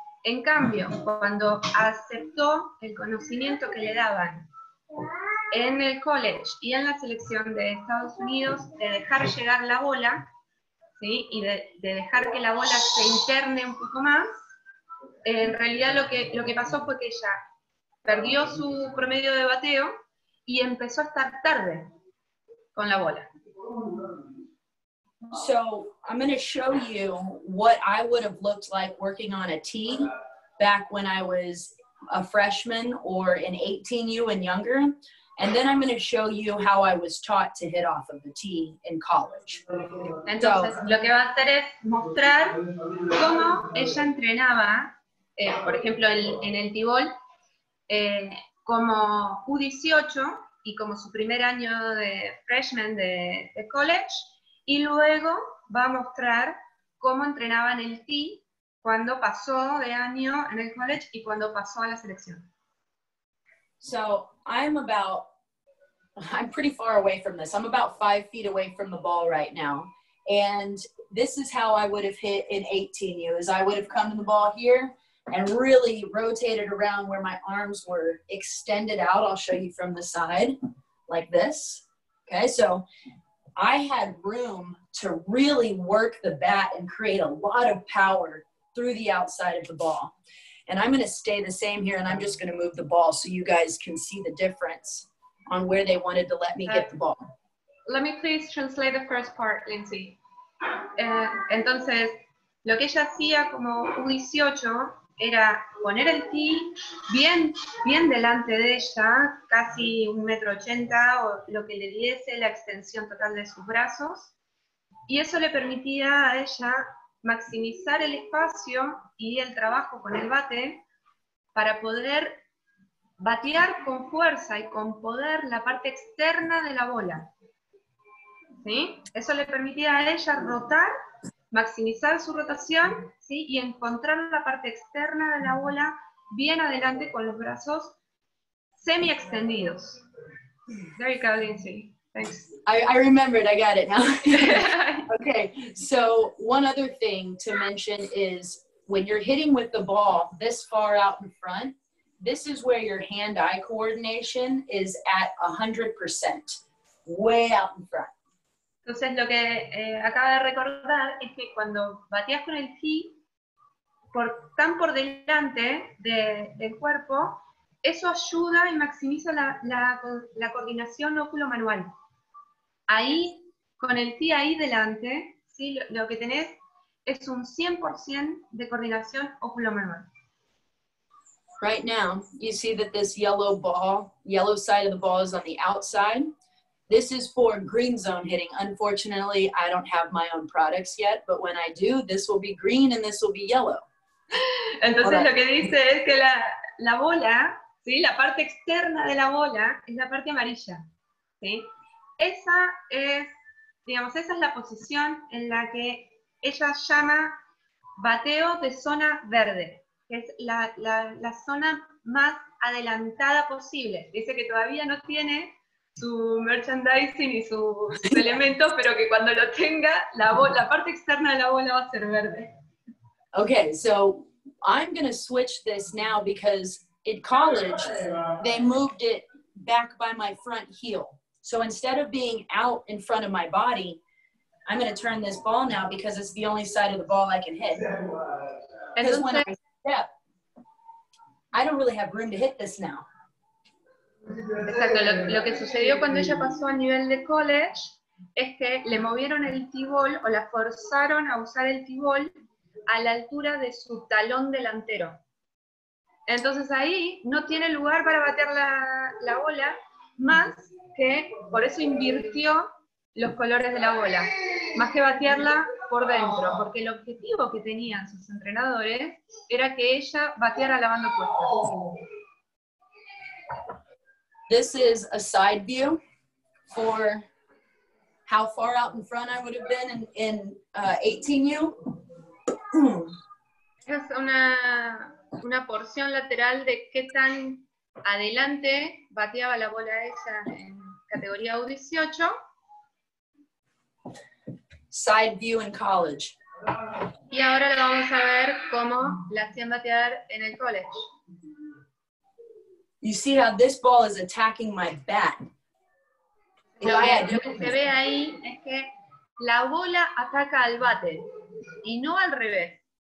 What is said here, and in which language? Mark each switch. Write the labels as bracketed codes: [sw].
[es] En cambio, cuando aceptó el conocimiento que le daban en el college y en la selección de Estados Unidos de dejar llegar la bola, ¿sí? Y de dejar que la bola se interne un poco más, en realidad lo que pasó fue que ella perdió su promedio de bateo y empezó a estar tarde con la bola. [en] So I'm going to show you what I would have looked like working on a team back when I was a freshman or an 18U and younger. And then I'm going to show you how I was taught to hit off of the tee in college. [es] Entonces, lo que va a hacer es mostrar cómo ella entrenaba por ejemplo, en el T-ball, como U18 y como su primer año de freshman de college, y luego va a mostrar cómo entrenaba en el tee cuando pasó de año en el college y cuando pasó a la selección. [en] So, I'm pretty far away from this. I'm about 5 feet away from the ball right now. And this is how I would have hit in 18U, is I would have come to the ball here and really rotated around where my arms were extended out. I'll show you from the side, like this. Okay, so I had room to really work the bat and create a lot of power through the outside of the ball. And I'm going to stay the same here, and I'm just going to move the ball so you guys can see the difference on where they wanted to let me get the ball. Let me please translate the first part, Lindsay. [es] Entonces, lo que ella hacía como U18 era poner el tee bien, bien delante de ella, casi 1.80 m, o lo que le diese la extensión total de sus brazos, y eso le permitía a ella maximizar el espacio y el trabajo con el bate para poder batear con fuerza y con poder la parte externa de la bola. ¿Sí? Eso le permitía a ella rotar, maximizar su rotación, ¿sí?, y encontrar la parte externa de la bola bien adelante con los brazos semi extendidos. [en] There you go, Lindsay. Thanks. I remembered, I got it now. Okay, so one other thing to mention is when you're hitting with the ball this far out in front, this is where your hand-eye coordination is at 100%, way out in front. [es] Entonces, lo que acaba de recordar es que cuando bateas con el tee tan por delante del cuerpo, eso ayuda y maximiza la coordinación óculo-manual. Ahí, con el tee ahí delante, ¿sí?, lo que tenés es un 100% de coordinación óculo-manual. [en] Right now, you see that this yellow side of the ball is on the outside. This is for green zone hitting. Unfortunately, I don't have my own products yet, but when I do, this will be green and this will be yellow. [es] Entonces, lo que dice es que la bola, ¿sí?, la parte externa de la bola es la parte amarilla. ¿Sí? Esa es, digamos, esa es la posición en la que ella llama bateo de zona verde. Es la zona más adelantada posible. Dice que todavía no tiene su merchandising y sus elementos, pero que cuando lo tenga, la parte externa de la bola va a ser verde. [en] Okay, so I'm going to switch this now because in college, they moved it back by my front heel. So instead of being out in front of my body, I'm going to turn this ball now because it's the only side of the ball I can hit. Yeah, I don't really have room to hit this now. [es] Exacto, lo que sucedió cuando ella pasó a nivel de college es que le movieron el t-ball o la forzaron a usar el t-ball a la altura de su talón delantero. Entonces ahí no tiene lugar para bater la bola, más que por eso invirtió los colores de la bola, más que batearla por dentro, porque el objetivo que tenían sus entrenadores era que ella bateara la banda opuesta. [en] This is a side view for how far out in front I would have been in 18U. [es] Es una porción lateral de qué tan adelante bateaba la bola esa en categoría U18. [en] Side view in college. [es] Y ahora lo vamos a ver cómo la hacían batear en el college. [en] You see how this ball is attacking my bat. [es] Lo que se ve ahí es que la bola ataca al bate y no al revés.